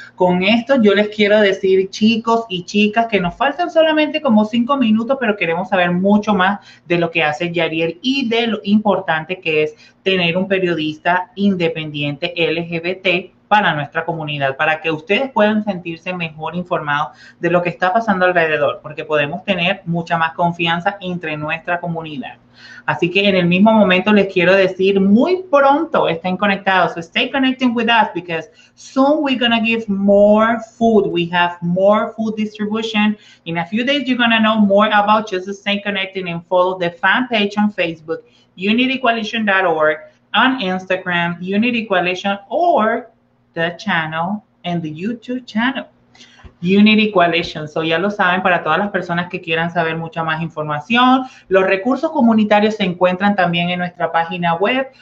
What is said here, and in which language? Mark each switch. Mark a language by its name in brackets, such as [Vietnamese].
[Spanish] Con esto yo les quiero decir, chicos y chicas, que nos faltan solamente como 5 minutos, pero queremos saber mucho más de lo que hace Yariel y de lo importante que es tener un periodista independiente LGBT para nuestra comunidad, para que ustedes puedan sentirse mejor informados de lo que está pasando alrededor, porque podemos tener mucha más confianza entre nuestra comunidad. Así que en el mismo momento les quiero decir, muy pronto estén conectados. [English] So stay connecting with us because soon we're going to give more food. We have more food distribution. In a few days, you're going to know more about just stay connecting and follow the fan page on Facebook, unitycoalition.org, on Instagram, unitycoalition, or the channel and the YouTube channel, Unity Coalition. [Spanish] So ya lo saben, para todas las personas que quieran saber mucha más información, los recursos comunitarios se encuentran también en nuestra página web.